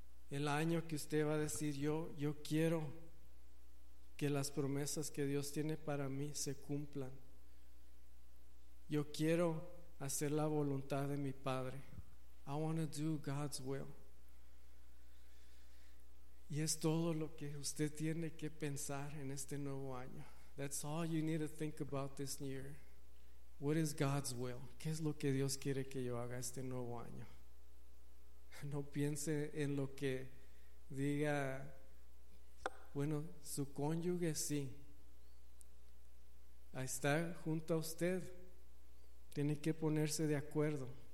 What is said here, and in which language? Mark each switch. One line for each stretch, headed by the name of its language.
Spanish: El año que usted va a decir, yo quiero que las promesas que Dios tiene para mí se cumplan. Yo quiero hacer la voluntad de mi Padre.
English: I want to do God's will.
Spanish: Y es todo lo que usted tiene que pensar en este nuevo año.
English: That's all you need to think about this year. What is God's will?
Spanish: ¿Qué es lo que Dios quiere que yo haga este nuevo año? No piense en lo que diga, bueno, su cónyuge sí. Ahí está junto a usted. Tiene que ponerse de acuerdo.